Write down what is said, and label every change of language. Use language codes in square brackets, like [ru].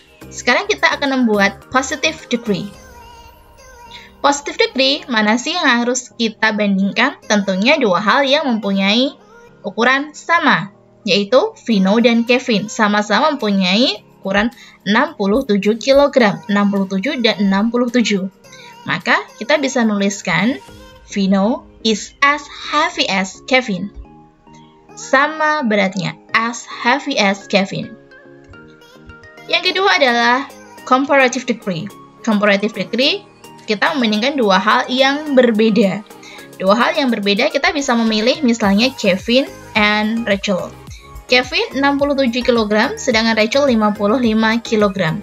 [id] Sekarang kita akan membuat positive degree. Positive degree, mana sih yang harus kita bandingkan? Tentunya dua hal yang mempunyai ukuran sama, yaitu Vino dan Kevin. Sama-sama mempunyai ukuran 67 kg, 67 dan 67. Maka kita bisa menuliskan [en] Vino is as heavy as Kevin. [id] Sama beratnya, [en] as heavy as Kevin. [id] Yang kedua adalah comparative degree. Comparative degree, kita membandingkan dua hal yang berbeda. Dua hal yang berbeda, kita bisa memilih misalnya Kevin and Rachel. Kevin 67 kg, sedangkan Rachel 55 kg.